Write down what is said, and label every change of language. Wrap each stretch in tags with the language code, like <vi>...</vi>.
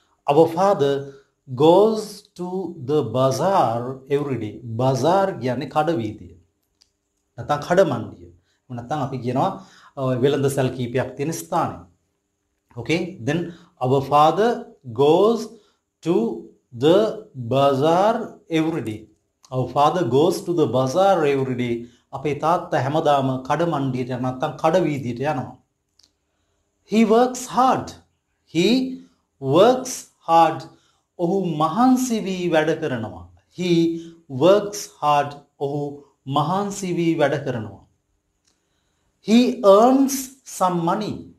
<en>Our father goes to the bazaar every day.</en> <si>බසාර් කියන්නේ කඩ වීදිය. නැත්නම් කඩ මණ්ඩිය. නැත්නම් අපි කියනවා වෙළඳ සල් කීපයක් තියෙන ස්ථානය.</si> <en>Okay? Then our father goes to the bazaar every day. Our father goes to the bazaar every day.</en> <si>අපේ තාත්තා හැමදාම කඩ මණ්ඩියට නැත්නම් කඩ වීදියට යනවා.</si> <en>He works hard. He works hard.</en> <si>ඔහු මහන්සි වී වැඩ කරනවා.</si> <en>He works hard.</en> <si>ඔහු මහන්සි වී වැඩ කරනවා.</si> <en>He earns some money.</en>